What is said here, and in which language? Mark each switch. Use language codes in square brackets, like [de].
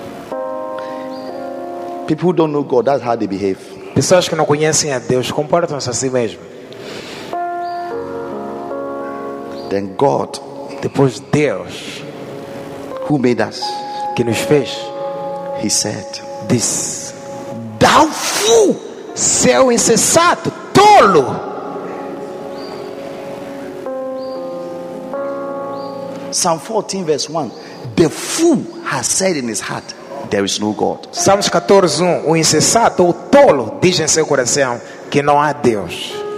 [en] People who don't know God, that's how they behave. [pt] Pessoas que não conhecem a Deus comportam-se assim mesmo. [en] Then God, [pt] depois Deus, [en] who made us, [pt] que nos fez, [en] he said, this, thou fool, [pt] seu insensato, tolo. [en] Psalm 14 verse 1, the fool has said in his heart, there is no God. [pt] Salmos 14, 1, o insensato, o tolo, diz em seu coração que não há Deus.